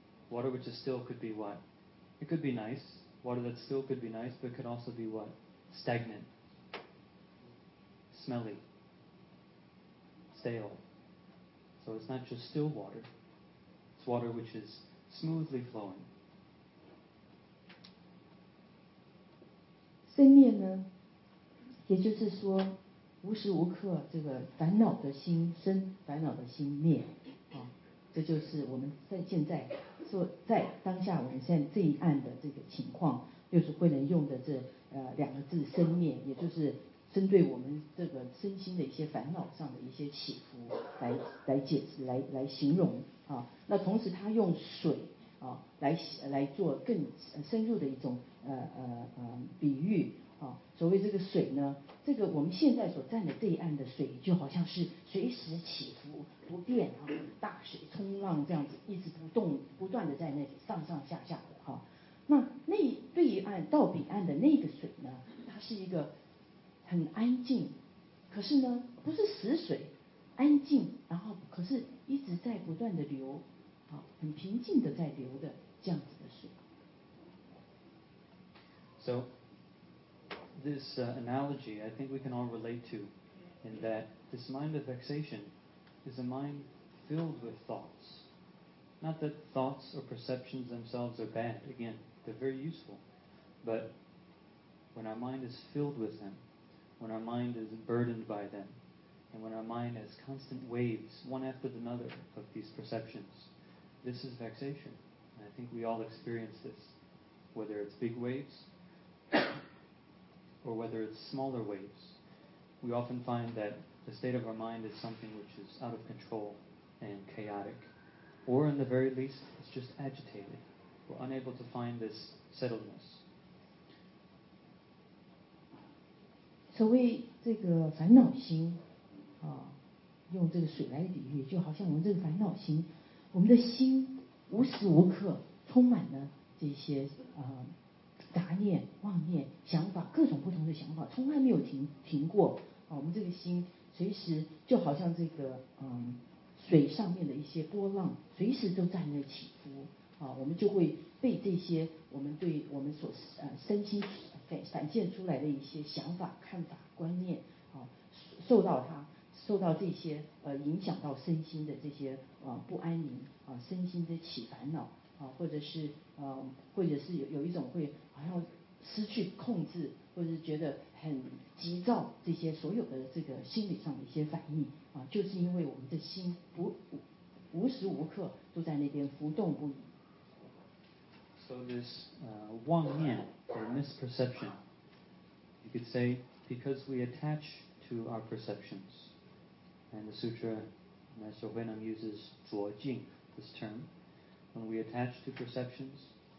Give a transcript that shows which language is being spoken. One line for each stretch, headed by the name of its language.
English: Water which is still could be what? It could be nice. Water that's still could be nice, but it could also be what? Stagnant. Smelly. Stale. So it's not just still water. It's water which is smoothly flowing.
Chinese: 生灭呢，也就是说，无时无刻这个烦恼的心生，烦恼的心灭，啊，这就是我们在现在说在当下我们现在这一案的这个情况，就是慧能用的这两个字生灭，也就是针对我们这个身心的一些烦恼上的一些起伏来解释来形容啊。那同时他用水啊来做更深入的一种。比喻啊，所谓这个水呢，这个我们现在所站的这一岸的水，就好像是随时起伏不变啊，大水冲浪这样子，一直不动，不断的在那里上上下下的哈、啊。那那对岸到彼岸的那个水呢，它是一个很安静，可是呢不是死水，安静，然后可是一直在不断的流，啊，很平静的在流的这样子的水。
English: So, this analogy I think we can all relate to, in that this mind of vexation is a mind filled with thoughts. Not that thoughts or perceptions themselves are bad, again, they're very useful. But when our mind is filled with them, when our mind is burdened by them, and when our mind has constant waves, one after another, of these perceptions, this is vexation. And I think we all experience this, whether it's big waves,or whether it's smaller waves, we often find that the state of our mind is something which is out of control and chaotic, or in the very least, it's just agitated. We're unable to find this settledness.
Chinese: 所谓这个烦恼心，啊，用这个水来比喻，就好像我们这个烦恼心，我们的心无时无刻充满了这些杂念、妄念、想法，各种不同的想法，从来没有停过。啊，我们这个心随时就好像这个水上面的一些波浪，随时都在那起伏。啊，我们就会被这些我们对我们所身心反现出来的一些想法、看法、观念，啊，受到这些影响到身心的这些不安宁啊，身心的起烦恼啊，或者是有一种会。好像失去控制，或者是觉得很急躁，这些所有的这个心理上的一些反应啊，就是因为我们的心无时无刻都在那边浮动不已。
English: So this 妄念 or misperception, you could say because we attach to our perceptions, and the sutra Master Huineng uses 着境 this term, when we attach to perceptions.